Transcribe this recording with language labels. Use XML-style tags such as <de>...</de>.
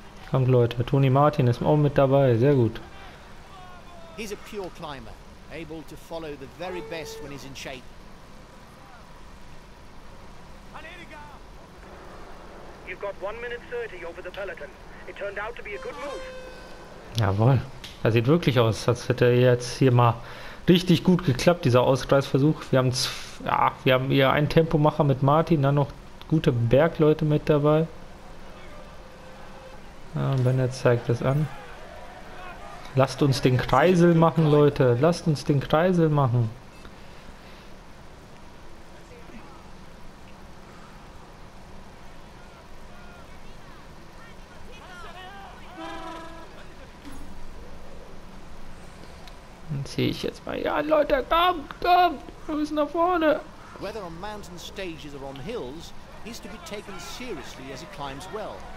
<de>Kommt, Leute. Toni Martin ist auch mit dabei. Sehr gut.</de> <en>He's a pure climber. Able to follow the very best when he's in shape. You've got 1:30 over the peloton. It turned out to be a good move.</en> <de>Jawohl. Das sieht wirklich aus, als hätte jetzt hier mal richtig gut geklappt, dieser Ausgleichsversuch. Wir haben hier einen Tempomacher mit Martin, dann noch gute Bergleute mit dabei. Ja, Bennett zeigt das an. Lasst uns den Kreisel machen, Leute. Lasst uns den Kreisel machen. Dann ziehe ich jetzt mal. Ja, Leute, komm, komm. Wir müssen nach vorne.</de> <en>Whether on mountain stages or on hills, he's to be taken seriously as he climbs well.</en>